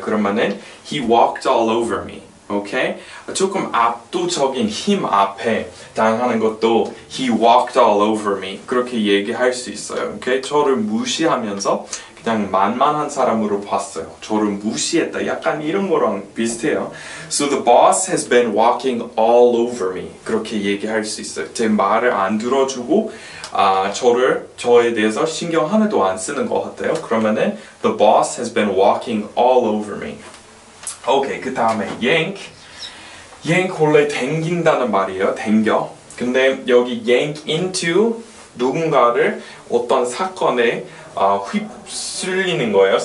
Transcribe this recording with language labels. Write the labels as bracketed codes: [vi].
[en] 그러면은 he walked all over me. 오케이? Okay? 조금 압도적인 힘 앞에 당하는 것도 he walked all over me. [ko] 그렇게 얘기할 수 있어요. 오케이? Okay? 저를 무시하면서 그냥 만만한 사람으로 봤어요. 저를 무시했다. 약간 이런 거랑 비슷해요. [en] So the boss has been walking all over me. [ko] 그렇게 얘기할 수 있어요. 제 말을 안 들어주고 저에 대해서 신경 하나도 안 쓰는 것 같아요. [en] 그러면은 the boss has been walking all over me. [ko] 오케이, 그 다음에 yank. yank 원래 댕긴다는 말이에요. 댕겨. 근데 여기 yank into 누군가를 어떤 사건에 휩쓸리는 거예요.